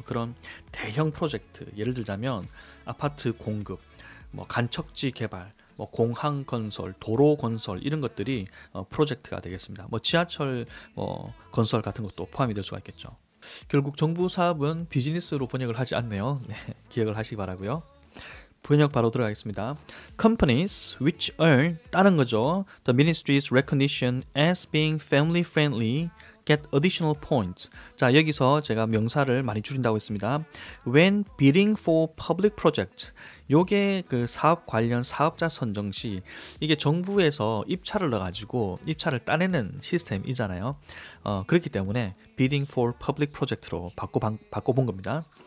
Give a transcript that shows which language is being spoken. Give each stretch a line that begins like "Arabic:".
Korean: 그런 대형 프로젝트, 예를 들자면 아파트 공급, 뭐 간척지 개발, 뭐 공항 건설, 도로 건설 이런 것들이 프로젝트가 되겠습니다. 뭐 지하철 뭐 건설 같은 것도 포함이 될 수가 있겠죠. 결국 정부 사업은 비즈니스로 번역을 하지 않네요. 네, 기억을 하시기 바라고요. 번역 바로 들어가겠습니다.
English: Companies which earn
Korean: 다른 거죠.
English: The ministry's recognition as being family friendly get additional points.
Korean: 자, 여기서 제가 명사를 많이 줄인다고 했습니다.
English: When bidding for public project.
Korean: 요게 그 사업 관련 사업자 선정 시 이게 정부에서 입찰을 넣어가지고 입찰을 따내는 시스템이잖아요. 그렇기 때문에
English: bidding for public project
Korean: 로 바꿔본 겁니다.